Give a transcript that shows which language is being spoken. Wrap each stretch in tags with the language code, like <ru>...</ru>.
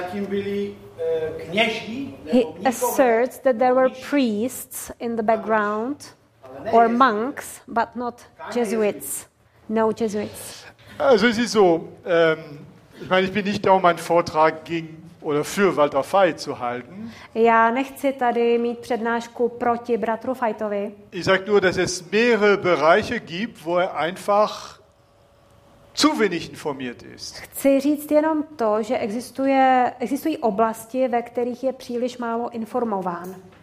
<en>He asserts that there were priests in the background or monks, but not Jesuits. No Jesuits.</en> <de>Also es ist so, ich meine, ich bin nicht da, um einen Vortrag gegen oder für Walter Veit zu halten.</de> <cs>Já nechci tady mít přednášku proti bratru Veitovi.</cs> <de>Ich sage nur, dass es mehrere Bereiche gibt, wo er einfach zu wenig informiert ist.</de> <cs>Chci říct jenom to, že existují oblasti, ve kterých je příliš málo informován.</cs>